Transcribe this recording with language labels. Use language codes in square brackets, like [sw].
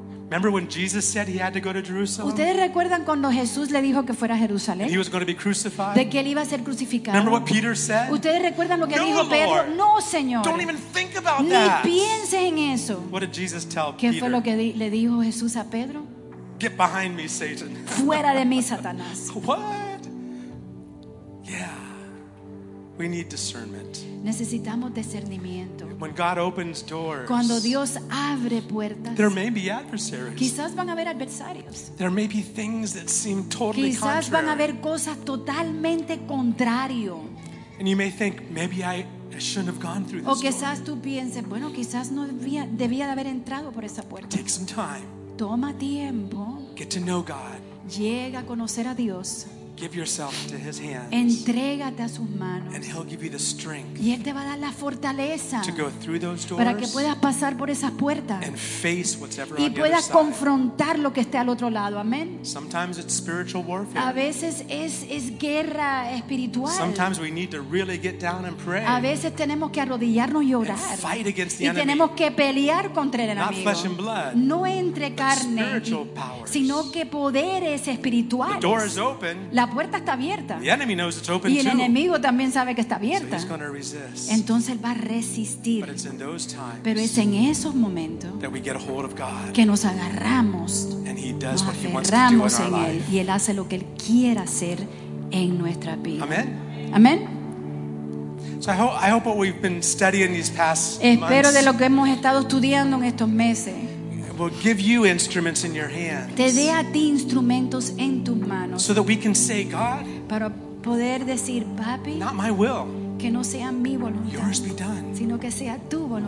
[en] Remember when Jesus said he had to go to Jerusalem? [es] ¿Ustedes recuerdan cuando Jesús le dijo que fuera a Jerusalén? [en] He was going to be crucified. [es] De que él iba a ser crucificado. [en] Remember what Peter said? [es] ¿Ustedes recuerdan lo que no, dijo Pedro? [en] Lord. [es] No, Señor. [en] Don't even think about [es] ni [en] that. [es] Ni pienses en eso. [en] What did Jesus tell [es] ¿Qué [en] Peter? [es] ¿Qué fue lo que le dijo Jesús a Pedro? [en] Get behind me, Satan. [es] Fuera de mí, Satanás. [en] What? Yeah. We need discernment. [es] Necesitamos discernimiento. [en] When God opens doors, [es] cuando Dios abre puertas, [en] there may be adversaries. [es] Quizás van a haber adversarios. [en] There may be things that seem totally [es] quizás Quizás van a haber cosas totalmente contrario. [en] And you may think, maybe I shouldn't have gone through this. [es] O quizás storm. Tú pienses, bueno, quizás no debía de haber entrado por esa puerta. [en] Take some time. [es] Toma tiempo. [en] Get to know God. [es] Llega a conocer a Dios. [en] Give yourself to his hands. [es] Entrégate a sus manos. [en] And he'll give you the strength. [es] Y él te va a dar la fortaleza. [en] To go through those doors. [es] Para que puedas pasar por esas puertas. [en] And face whatever. [es] Y puedas confrontar lo que esté al otro lado. Amén. [en] Sometimes it's spiritual warfare. [es] A veces es guerra espiritual. [en] Sometimes we need to really get down and pray. [es] A veces tenemos que arrodillarnos y orar. [en] And fight against the [es] enemy. Y tenemos que pelear contra el enemigo. [en] Not flesh and blood. [es] No entre carne. [en] But spiritual powers. [es] Sino que poderes espirituales. [en] The door is open. [es] La puerta está abierta. [en] The enemy knows it's open [es] y el [en] too. [es] Enemigo también sabe que está abierta. [en] So he's gonna resist. [es] Entonces él va a resistir. [en] But it's in those times. [es] Pero es en esos momentos [en] that we get a hold of God. [es] Que nos agarramos. [en] And he does what he wants to do in our life. [es] Y él hace lo que él quiera hacer en nuestra vida. [en] Amen. Amen. So I hope what we've been studying these past [es] espero [en] months. [es] Espero de lo que hemos estado estudiando en estos meses. [en] Will give you instruments in your hands. [es] Te dé a ti instrumentos en tus manos. [en] So that we can say, God. [es] Para poder decir, Papi. [en] Not my will. [es] Que no sea mi voluntad. [en] Yours be done. [es] Sino que sea tu voluntad.